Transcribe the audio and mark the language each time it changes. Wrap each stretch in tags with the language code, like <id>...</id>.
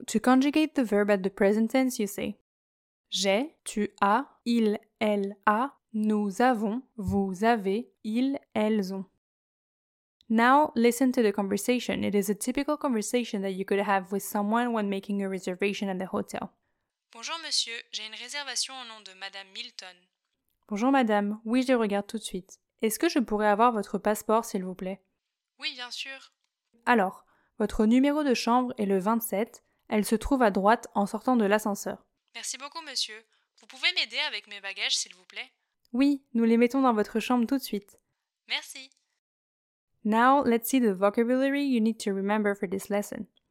<en>To conjugate the verb at the present tense, you say</en> <fr>j'ai, tu as, il, elle a, nous avons, vous avez, ils, elles ont.</fr> <en>Now, listen to the conversation. It is a typical conversation that you could have with someone when making a reservation at the hotel.</en> <fr>Bonjour monsieur, j'ai une réservation au nom de madame Milton. Bonjour madame, oui je les regarde tout de suite. Est-ce que je pourrais avoir votre passeport s'il vous plaît? Oui, bien sûr. Alors, votre numéro de chambre est le 27, elle se trouve à droite en sortant de l'ascenseur. Merci beaucoup monsieur, vous pouvez m'aider avec mes bagages s'il vous plaît? Oui, nous les mettons dans votre chambre tout de suite. Merci.</fr> <en>Now, let's see the vocabulary you need to remember for this lesson.</en>